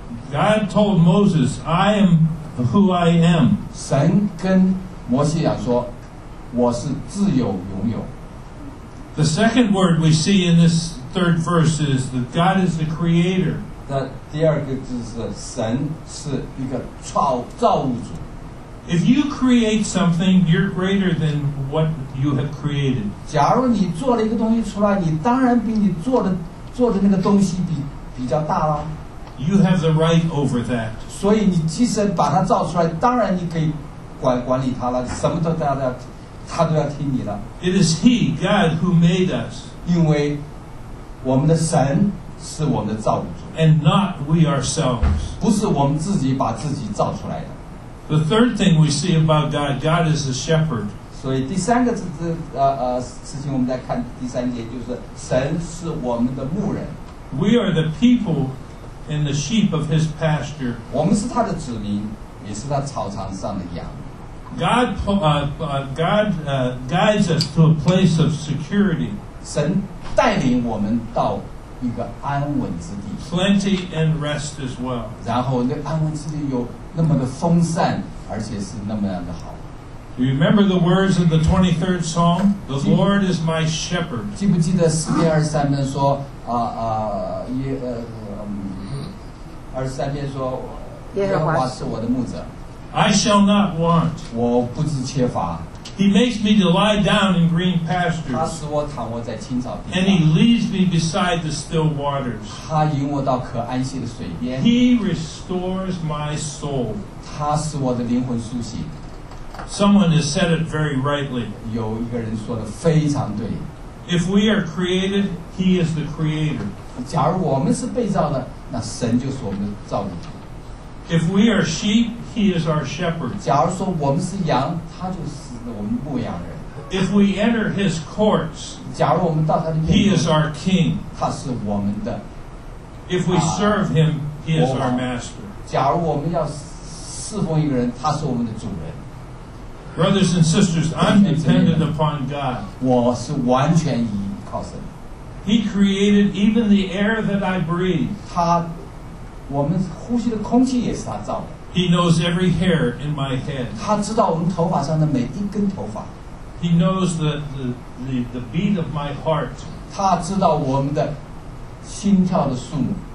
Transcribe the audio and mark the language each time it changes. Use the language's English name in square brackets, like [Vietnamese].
[English] God told Moses, I am who I am [Chinese] 神跟摩西亚说我是自由拥有 [English] The second word we see in thisThird verse is that God is the creator. [Chinese] 那第二个就是神是一个造物主。 [English] If you create something, you're greater than what you have created. [Chinese] 假如你做了一个东西出来，你当然比你做的那个东西比较大了。 [English] You have the right over that. [Chinese] 所以你即使把它造出来，当然你可以管理它了，什么都他都要听你的。 [English] It is He, God, who made us. [Chinese] 因为我们的神是我们的造物主 [English] And not we ourselves [Chinese] 不是我们自己把自己造出来的 [English] The third thing we see about God God is a shepherd [Chinese] 所以第三个事情我们再看第三节就是神是我们的牧人 [English] We are the people and the sheep of his pasture [Chinese] 我们是他的子民也是他草场上的羊 [English] God guides us to a place of security [Chinese] 神带领我们到一个安稳之地 [English] Plenty and rest as well [Chinese] 然后那安稳之地有那么的丰盛而且是那么样的好 [English] Do you remember the words of the 23rd Psalm? The Lord is my shepherd [Chinese] 记不记得诗篇二十三篇说二十三篇说耶和华是我的牧者 [English] I shall not want [Chinese] 我不知缺乏 [English] He makes me to lie down in green pastures. [Chinese] 他使我躺卧在青草地上。 [English] And he leads me beside the still waters. [Chinese] 他引我到可安息的水边。 [English] He restores my soul. [Chinese] 他使我的灵魂苏醒。 [English] Someone has said it very rightly. [Chinese] 有一个人说的非常对。 [English] If we are created, he is the creator. [Chinese] 假如我们是被造的，那神就是我们的造物主。 [English] If we are sheep, he is our shepherd. [Chinese] 假如说我们是羊，他就是。 [English] If we enter his courts, [Chinese] 假如我们到他的面前, [English] he is our king. [Chinese] 他是我们的, [English] If we serve him, he is our master. [Chinese] 假如我们要侍奉一个人, 他是我们的主人。 [English] Brothers and sisters, I'm dependent upon God. [Chinese] 我是完全依靠神。 [English] He created even the air that I breathe. [Chinese] 他我们呼吸的空气也是他造的。 [English] He knows every hair in my head. [Chinese] 他知道我们头发上的每一根头发。 [English] He knows the beat of my heart. [Chinese] 他知道我们的心跳的数目。